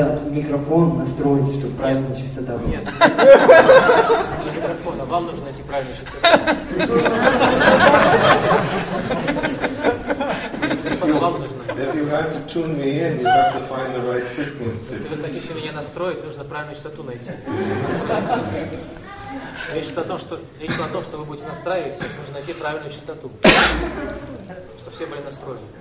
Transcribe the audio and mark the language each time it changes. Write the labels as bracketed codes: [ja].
[ru] Микрофон настроить, чтобы правильная частота была. Нет. Для микрофона вам нужно найти правильную частоту. Вам нужно. [en] If you have to tune me in, you have to find the right frequency. [ru] Если вы хотите меня настроить, нужно правильную частоту найти. Речь о том, что вы будете настраиваться, нужно найти правильную частоту, чтобы все были настроены.